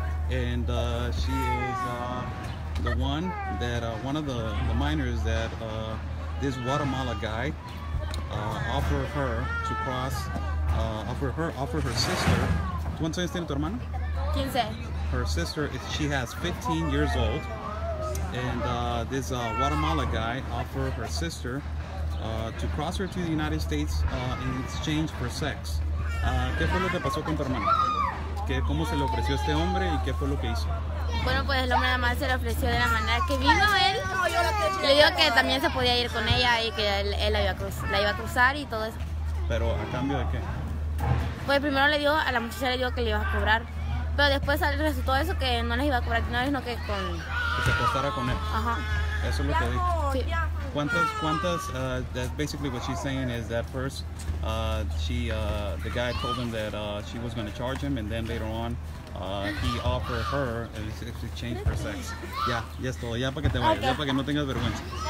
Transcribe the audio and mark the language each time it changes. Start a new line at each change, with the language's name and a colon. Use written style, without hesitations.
English: And she is the one that, one of the minors that this Guatemala guy offer her sister.
Spanish: ¿Cuántos años tiene tu hermana? 15.
English: Her sister, she has 15 years old. And this Guatemala guy offered her sister to cross her to the United States in exchange for sex.
Spanish: ¿Qué fue lo que pasó con tu hermana? ¿Qué, cómo se le ofreció este hombre y qué fue lo que hizo? Bueno, pues el hombre nada más se le ofreció de la manera que vino él. Le dijo que también se podía ir con ella y que él la iba a cruzar y todo eso. ¿Pero a cambio de qué? Pues primero le dio, a la muchacha le dijo que le iba a cobrar. Pero después resultó eso, que no les iba a cobrar dinero, sino que con... Que se acostara con él. Ajá. Eso es lo que dijo. Sí. ¿Cuántas?
English: That's basically what she's saying is that first, the guy told him that she was going to charge him, and then later on, he offered her an exchange for sex.
Spanish: Ya, ya es todo. Ya para que te vayas. Okay. Ya para que no tengas vergüenza.